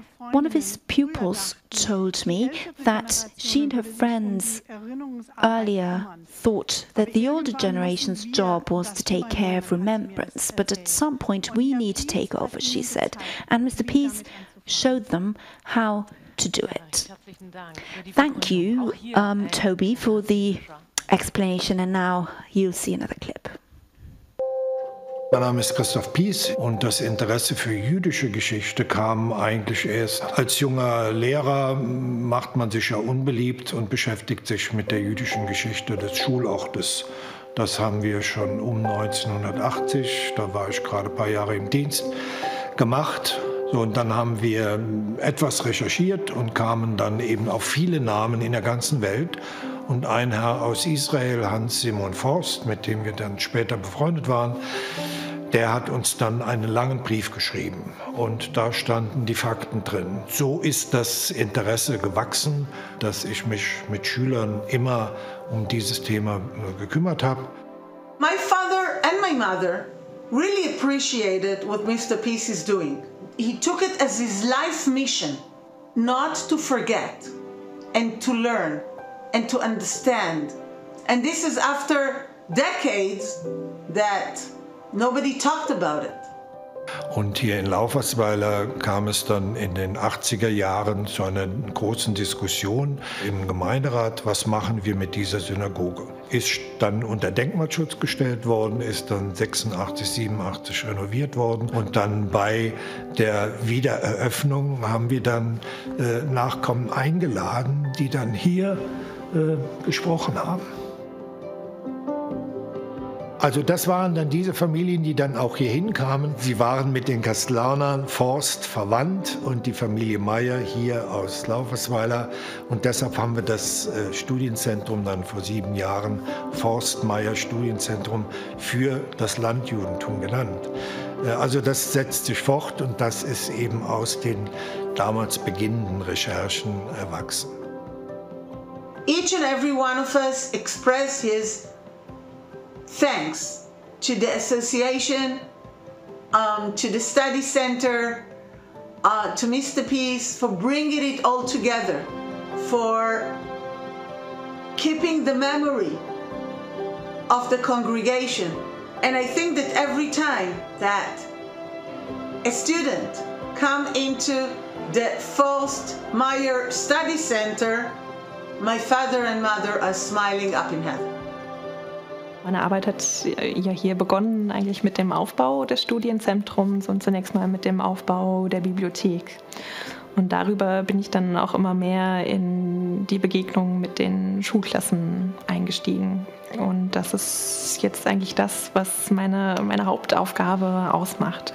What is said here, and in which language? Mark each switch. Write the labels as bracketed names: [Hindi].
[English] One of his pupils told me that she and her friends earlier thought that the older generation's job was to take care of remembrance, but at some point we need to take over, she said, and Mr. Peace showed them how to do it. Thank you, Toby, for the explanation, and now you'll see another clip. [German] Mein Name ist Christoph Peace und das Interesse für jüdische Geschichte kam eigentlich erst. Als junger Lehrer macht man sich ja unbeliebt und beschäftigt sich mit der jüdischen Geschichte des Schulortes. Das haben wir schon um 1980, da war ich gerade ein paar Jahre im Dienst, gemacht. So, und dann haben wir etwas recherchiert und kamen dann eben auf viele Namen in der ganzen Welt. Und ein Herr aus Israel, Hans Simon Forst, mit dem wir dann später befreundet waren, der hat uns dann einen langen Brief geschrieben. Und da standen die Fakten drin. So ist das Interesse gewachsen, dass ich mich mit Schülern immer um dieses Thema gekümmert habe. [English] My father and my mother really appreciated what Mr. Peace is doing. He took it as his life mission, not to forget and to learn and to understand. And this is after decades that nobody talked about it. [German] Und hier in Laufersweiler kam es dann in den 80er Jahren zu einer großen Diskussion im Gemeinderat, was machen wir mit dieser Synagoge? Ist dann unter Denkmalschutz gestellt worden, ist dann 86, 87 renoviert worden. Und dann bei der Wiedereröffnung haben wir dann Nachkommen eingeladen, die dann hier gesprochen haben. Also das waren dann diese Familien, die dann auch hier hinkamen. Sie waren mit den Kastellanern Forst verwandt und die Familie Meyer hier aus Laufersweiler. Und deshalb haben wir das Studienzentrum dann vor 7 Jahren, Forst-Meyer-Studienzentrum für das Landjudentum genannt. Also das setzt sich fort und das ist eben aus den damals beginnenden Recherchen erwachsen. [English] Each and every one of us express his thanks to the association, to the study center, to Mr. Peace for bringing it all together, for keeping the memory of the congregation. And I think that every time that a student come into the Forst-Meyer study center, my father and mother are smiling up in heaven. [German] Meine Arbeit hat ja hier begonnen eigentlich mit dem Aufbau des Studienzentrums und zunächst mal mit dem Aufbau der Bibliothek. Und darüber bin ich dann auch immer mehr in die Begegnung mit den Schulklassen eingestiegen. Und das ist jetzt eigentlich das, was meine Hauptaufgabe ausmacht.